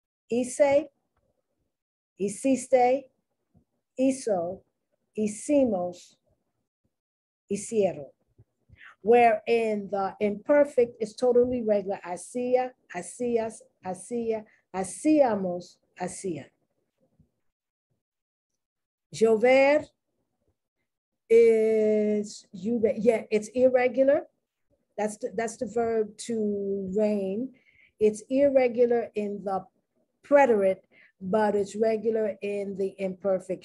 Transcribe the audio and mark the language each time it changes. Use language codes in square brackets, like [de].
[es] Hice, hiciste, hizo, hicimos, hicieron. [en] Where in the imperfect is totally regular. [es] Hacía, hacías, hacía, hacíamos, hacían. [en] Llover is, yeah, it's irregular. That's the verb to rain. It's irregular in the preterite, but it's regular in the imperfect.